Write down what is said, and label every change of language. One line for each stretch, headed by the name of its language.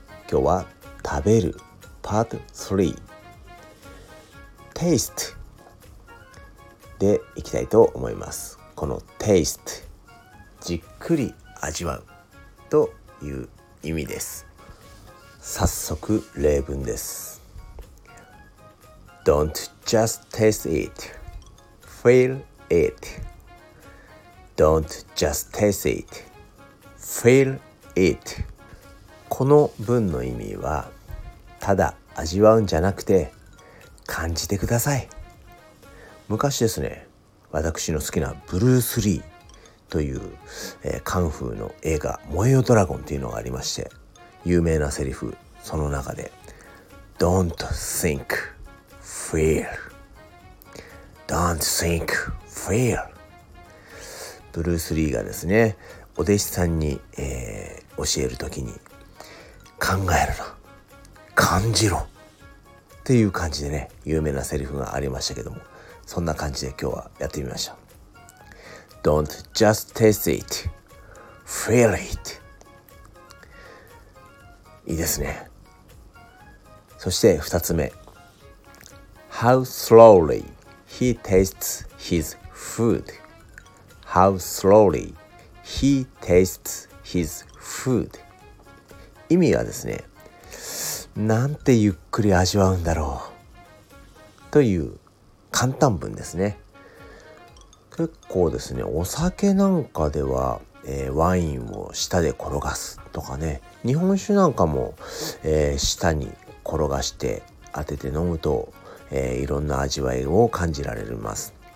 Japanese: 今日は食べるパート3テイストでいきたいと思います。このテイスト、じっくり味わうという意味です。早速例文です。
English: Don't just taste it, feel it. Don't just taste it, feel it.
Japanese: この文の意味は、ただ味わうんじゃなくて感じてください。昔ですね、私の好きなブルース・リーという、カンフーの映画燃えよドラゴンというのがありまして、有名なセリフ、その中で
English: Don't think, feel. Don't think, feel.
Japanese: ブルース・リーがですね、お弟子さんに、教えるときに、考えるな、感じろっていう感じでね、有名なセリフがありましたけども、そんな感じで今日はやってみました。
English: Don't just taste it, feel it.
Japanese: いいですね。
English: そして2つ目、 How slowly he tastes his food. How slowly he tastes his food.
Japanese: 意味はですね、なんてゆっくり味わうんだろうという簡単文ですね。結構ですね、お酒なんかでは、ワインを舌で転がすとかね、日本酒なんかも、舌に転がして当てて飲むと、いろんな味わいを感じられます。